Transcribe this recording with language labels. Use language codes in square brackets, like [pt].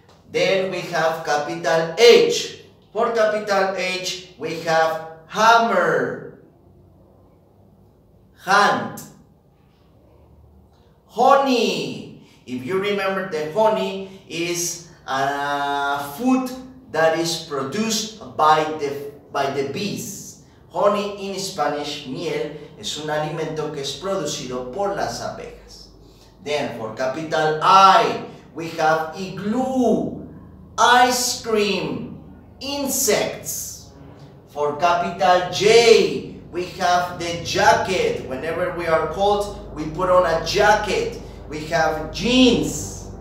[en] Then we have capital H. For capital H, we have hammer, hand, honey. If you remember, the honey is a food that is produced by the bees. Honey in Spanish, [es] miel, es un alimento que es producido por las abejas. [en] Then for capital I, we have igloo, ice cream, insects. For capital J, we have the jacket. Whenever we are cold, we put on a jacket. We have jeans.